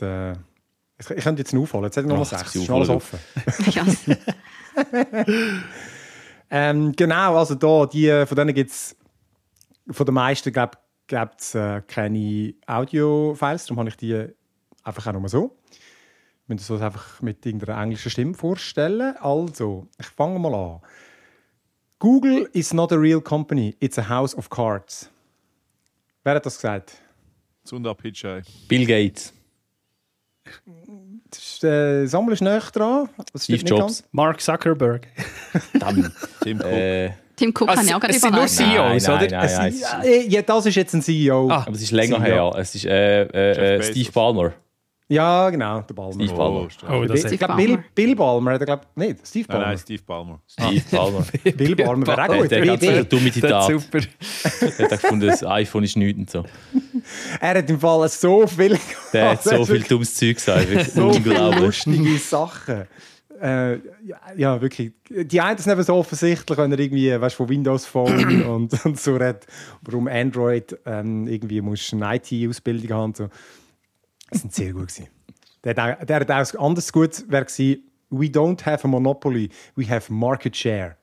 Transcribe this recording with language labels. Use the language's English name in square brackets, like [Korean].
[German] Ich könnte jetzt aufholen, jetzt hätte ich noch 6, ist alles offen. genau, also da, die, von denen gibt es, von den meisten gibt es keine Audio-Files, darum habe ich die einfach auch nur so. Ich möchte das einfach mit irgendeiner englischen Stimme vorstellen. Also, ich fange mal an. [English] Google is not a real company, it's a house of cards. [German] Wer hat das gesagt? Sundar Pichai. Bill Gates. Sammel ist näher dran. Was Steve Jobs. Nicht Mark Zuckerberg. Dann. Tim Cook. Tim Cook kann ich auch gerade überlegen. Es sind nur CEOs, oder? Nein. Das ist jetzt ein CEO. Ah, aber es ist länger CEO. Her. Es ist Steve Ballmer. Ja, genau. Der Ballmer. Steve Ballmer. Bill Ballmer. Nicht Steve Ballmer. Nein, Steve Ballmer. Steve Ballmer. Bill Ballmer wäre auch gut. Der hat eine dumme Zitat. Super. Er hat gefunden, das iPhone ist nichts und so. Er hat im Fall so viel... Der hat so viel dummes Zeug gesagt. So viele lustige Sachen. Ja, wirklich. Die einen ist nicht so offensichtlich, wenn er irgendwie, weißt, von Windows Phone und so redet, warum Android irgendwie muss eine IT-Ausbildung haben. So. Das sind sehr gut gewesen. Der hat auch anders gut gewesen. [English] We don't have a monopoly, we have market share.